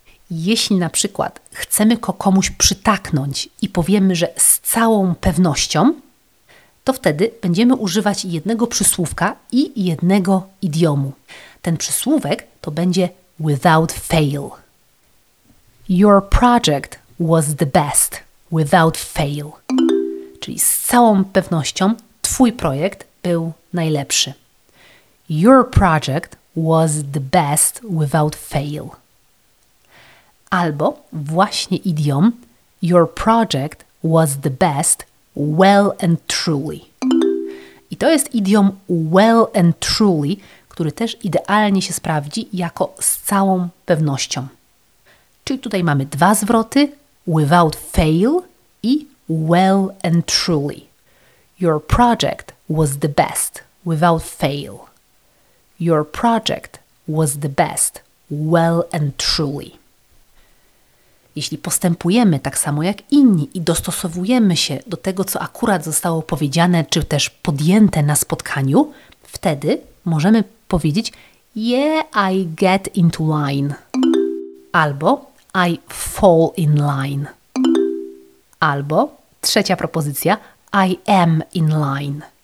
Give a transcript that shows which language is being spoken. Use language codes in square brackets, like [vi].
[pl] Jeśli na przykład chcemy komuś przytaknąć i powiemy, że z całą pewnością, to wtedy będziemy używać jednego przysłówka i jednego idiomu. Ten przysłówek to będzie [en] without fail. Your project was the best without fail. [pl] Czyli z całą pewnością Twój projekt był najlepszy. [en] Your project was the best without fail. [pl] Albo właśnie idiom [en] your project was the best well and truly. [pl] I to jest idiom [en] well and truly, [pl] który też idealnie się sprawdzi jako z całą pewnością. Czyli tutaj mamy dwa zwroty [en] without fail [pl] i [en] well and truly. Your project was the best without fail. Your project was the best well and truly. [pl] Jeśli postępujemy tak samo jak inni i dostosowujemy się do tego, co akurat zostało powiedziane czy też podjęte na spotkaniu, wtedy możemy powiedzieć [en] yeah, I get into line. [pl] Albo [en] I fall in line. [pl] Albo trzecia propozycja, [en] I am in line.